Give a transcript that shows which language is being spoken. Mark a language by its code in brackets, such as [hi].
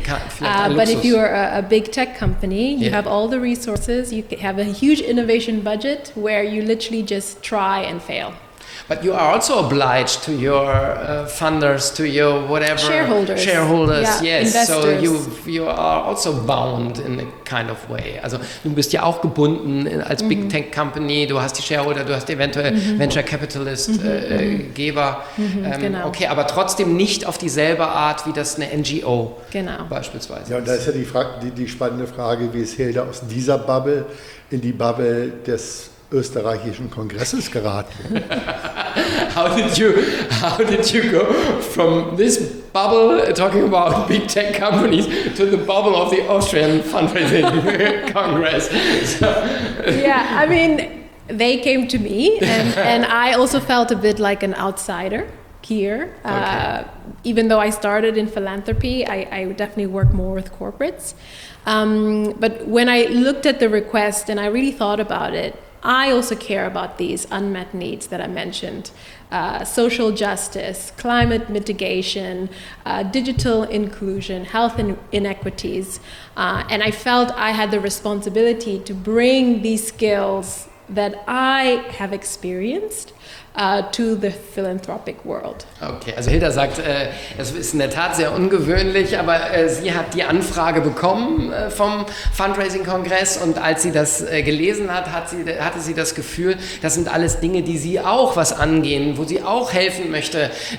[en] But if you are a big tech company, you yeah. have all the resources, you have a huge innovation budget where you literally just try and fail. But you are also obliged to your funders, to your whatever. Shareholders, yeah, yes. Investors. So you are also bound in a kind of way. [de] Also du bist ja auch gebunden als mm-hmm. Big Tech Company. Du hast die Shareholder, du hast eventuell mm-hmm. Venture Capitalist mm-hmm. Geber. Mm-hmm, genau. Okay, aber trotzdem nicht auf dieselbe Art, wie das eine NGO genau. beispielsweise. Ja, und da ist ja die spannende Frage, wie ist Hilda aus dieser Bubble in die Bubble des österreichischen Kongresses geraten. [en] How did you go from this bubble talking about big tech companies to the bubble of the Austrian Fundraising Congress? So. Yeah, I mean, they came to me and I also felt a bit like an outsider here. Okay. Even though I started in philanthropy, I definitely work more with corporates. But when I looked at the request and I really thought about it, I also care about these unmet needs that I mentioned, social justice, climate mitigation, digital inclusion, health inequities, and I felt I had the responsibility to bring these skills that I have experienced to the philanthropic world. [de] Okay, also Hilda sagt, es ist in der Tat sehr ungewöhnlich, aber sie hat die Anfrage bekommen vom Fundraising-Kongress, und als sie das gelesen hat, hatte sie das Gefühl, das sind alles Dinge, die sie auch was angehen, wo sie auch helfen möchte,